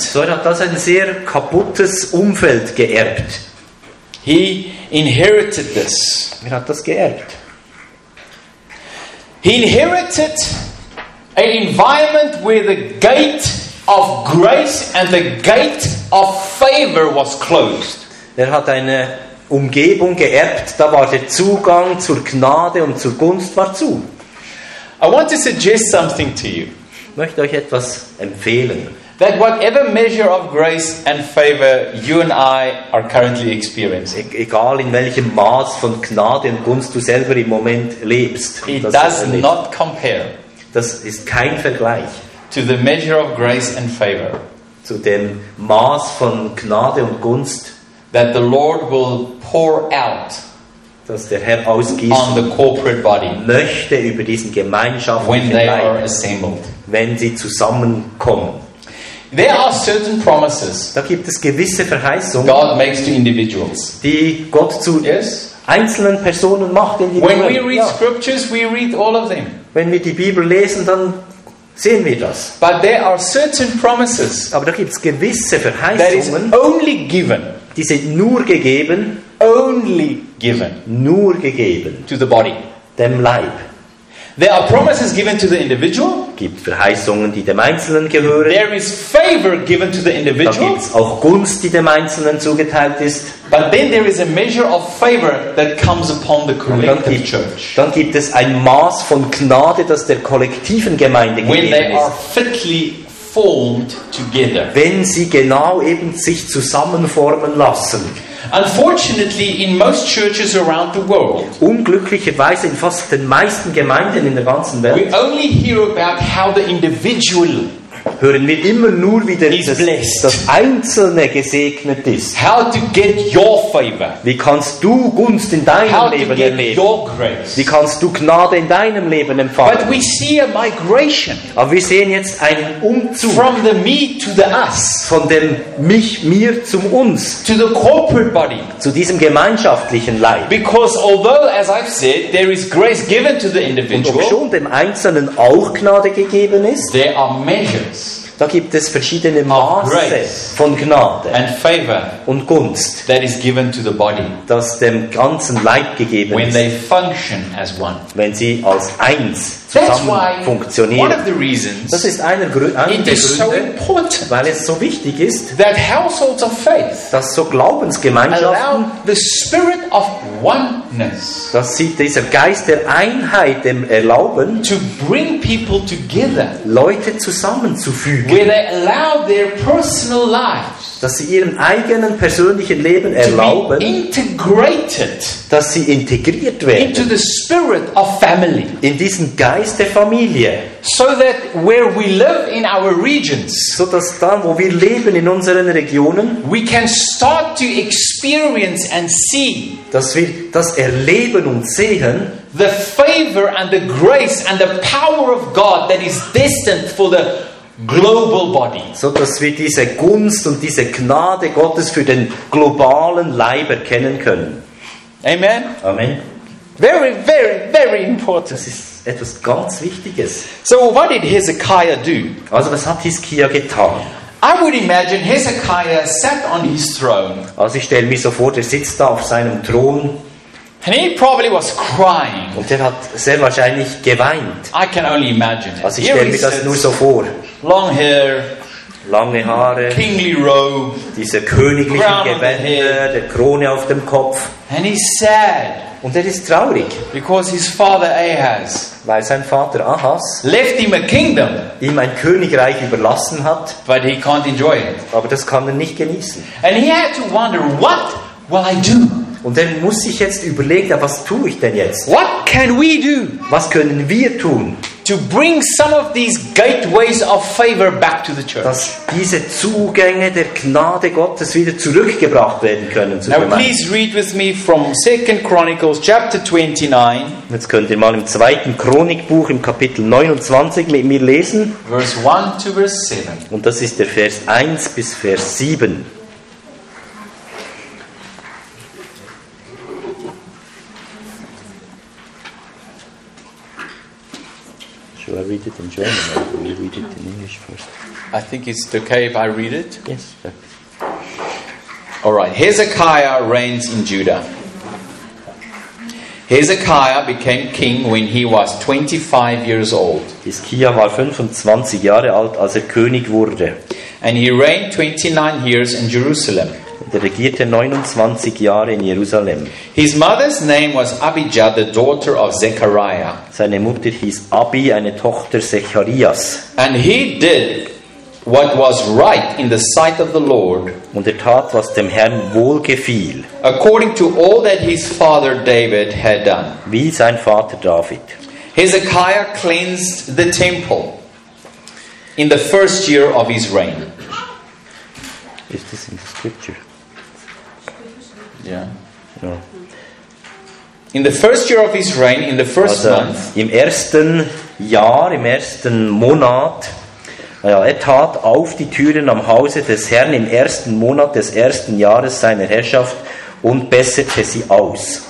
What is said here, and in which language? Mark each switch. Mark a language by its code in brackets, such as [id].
[de] So er hat das ein sehr kaputtes Umfeld geerbt. [en] He inherited this. [de] Er hat das geerbt. [en] He inherited an environment where the gate of grace and the gate of favor was closed. [de] Er hat eine Umgebung geerbt, da war der Zugang zur Gnade und zur Gunst war zu. [en] I want to suggest something to you. [de] Ich möchte euch etwas empfehlen. [en] That whatever measure of grace and favor you and I are currently experiencing. [de] Egal in welchem Maß von Gnade und Gunst du selber im Moment lebst. [en] It does not compare. [de] Das ist kein Vergleich. [en] To the measure of grace and favor. [de] Zu dem Maß von Gnade und Gunst. [en] That the Lord will pour out. [de] Dass der Herr ausgießen [en] on the corporate body, [de] möchte über diesen gemeinschaftlichen [en] when they [de] Leib, [en] are assembled. [de] Wenn sie zusammenkommen. [en] There are certain promises, [de] da gibt es gewisse Verheißungen, [en] God makes to individuals. [de] Die Gott zu [en] yes? [de] einzelnen Personen macht. [en] In when we read ja. scriptures, we read all of them. [de] Wenn wir die Bibel lesen, dann sehen wir das. [en] But there are certain promises, [de] aber da gibt es gewisse Verheißungen, [en] only given, [de] die sind nur gegeben, [en] only given, [de] nur gegeben [en] to the body, [de] dem Leib. [en] There are promises given to the individual. [de] Gibt Verheißungen, die dem Einzelnen gehören. [en] There is favor given to the individual. [de] Da gibt's auch Gunst, die dem Einzelnen zugeteilt ist. [en] But then there is a measure of favor that comes upon the collective church. [de] Dann gibt es ein Maß von Gnade, das der kollektiven Gemeinde gegeben ist. [en] When they are fitly formed together. [de] Wenn sie genau eben sich zusammenformen lassen. [en] Unfortunately, in most churches around the world, [de] unglücklicherweise in fast den meisten Gemeinden in der ganzen Welt, [en] we only hear about how the individual [de] hören wir immer nur, wie das Einzelne gesegnet ist. [en] How to get your favor. [de] Wie kannst du Gunst in deinem [en] how [de] Leben [en] to get [de] erleben? [en] Your grace. [de] Wie kannst du Gnade in deinem Leben empfangen? [en] But we see a migration. [de] Aber wir sehen jetzt einen Umzug [en] from the me to the us. [de] Von dem mich, mir zum uns. [en] To the corporate body. [de] Zu diesem gemeinschaftlichen Leib. [en] Because although, as I've said, there is grace given to the individual, [de] und ob schon dem Einzelnen auch Gnade gegeben ist, [en] there are measures. [de] Da gibt es verschiedene Maße von Gnade [en] and favor [de] und Gunst, [en] that is given to the body, [de] das dem ganzen Leib gegeben [en] when [de] ist, [en] they function as one. [de] Wenn sie als eins zusammen funktionieren. [en] One of the reasons, [de] das ist einer der Gründe, [en] so important, [de] weil es so wichtig ist, [en] that households of faith, [de] dass so Glaubensgemeinschaften [en] allow the spirit of oneness, [de] dass sie dieser Geist der Einheit dem erlauben, [en] to bring people together, [de] Leute zusammenzuführen. [en] Where they allow their personal lives, [de] dass sie ihrem eigenen persönlichen Leben erlauben, [en] to be integrated, [de] dass sie integriert werden, [en] into the spirit of family, [de] in diesen Geist der Familie, [en] so that where we live in our regions, [de] so dass da, wo wir leben in unseren Regionen, [en] we can start to experience and see, [de] dass wir das erleben und sehen, [en] the favor and the grace and the power of God that is destined for the global body, [de] so dass wir diese Gunst und diese Gnade Gottes für den globalen Leib erkennen können. [en] Amen. [de] Amen. [en] Very, very, very important. [de] Das ist etwas ganz Wichtiges. [en] So, what did Hezekiah do? [de] Also, was hat Hiskia getan? [en] I would imagine Hezekiah sat on his throne. [de] Also, ich stelle mir so vor, der sitzt da auf seinem Thron. [en] And he probably was crying. [de] Und er hat sehr wahrscheinlich geweint. [en] I can only imagine it. [de] Also ich stelle mir das nur so vor. [en] Long hair, [de] lange Haare, [en] kingly robe, [de] diese königlichen Gewänder, der Krone auf dem Kopf. [en] And he's sad. [de] Und er ist traurig, [en] because his father Ahaz, [de] weil sein Vater Ahaz [en] left him a kingdom, [de] ihm ein Königreich überlassen hat, [en] but he can't enjoy it. [de] Aber das kann er nicht genießen. [en] And he had to wonder, what will I do? [de] Und er muss sich jetzt überlegen, was tue ich denn jetzt? [en] What can we do? [de] Was können wir tun? [en] To bring some of these gateways of favor back to the church. [de] Dass diese Zugänge der Gnade Gottes wieder zurückgebracht werden können. [en] Now please read with me from 2 Chronicles chapter 29. [de] Jetzt könnt ihr mal im 2. Chronikbuch im Kapitel 29 mit mir lesen. [en] Verse 1 to verse 7. [de] Und das ist der Vers 1 bis Vers 7. [en] Should I read it in German or do you read it in English first? I think it's okay if I read it. Yes. Alright, Hezekiah reigns in Judah. Hezekiah became king when he was 25 years old. [de] Hezekiah war 25 Jahre alt, als König wurde. [en] And he reigned 29 years in Jerusalem. [de] Er regierte 29 Jahre in Jerusalem. [en] His mother's name was Abijah, the daughter of Zechariah. [de] Seine Mutter hieß Abi, eine Tochter Zecharias. [en] And he did what was right in the sight of the Lord. [de] Und tat, was dem Herrn wohlgefiel. [en] According to all that his father David had done. [de] Wie sein Vater David. [en] Hezekiah cleansed the temple in the first year of his reign. Is this in the scripture? Yeah. In the first year of his reign, in the first month, [de] im ersten Jahr, im ersten Monat, ja, tat auf die Türen am Hause des Herrn im ersten Monat des ersten Jahres seiner Herrschaft und besserte sie aus.